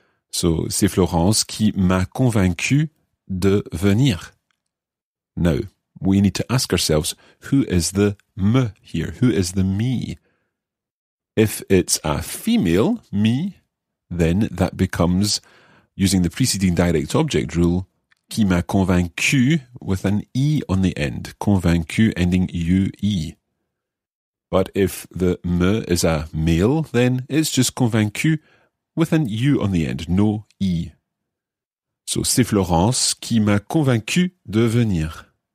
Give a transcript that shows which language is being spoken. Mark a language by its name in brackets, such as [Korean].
[French] So, c'est Florence qui m'a convaincu de venir. [English] Now, we need to ask ourselves, who is the me here? Who is the me? If it's a female me, then that becomes, using the preceding direct object rule, [French] qui m'a convaincu [English] with an e on the end. Convaincu ending u-e. But if the me is a male, then it's just convaincu with an U on the end, no I. [French] So, c'est Florence qui m'a convaincu de venir.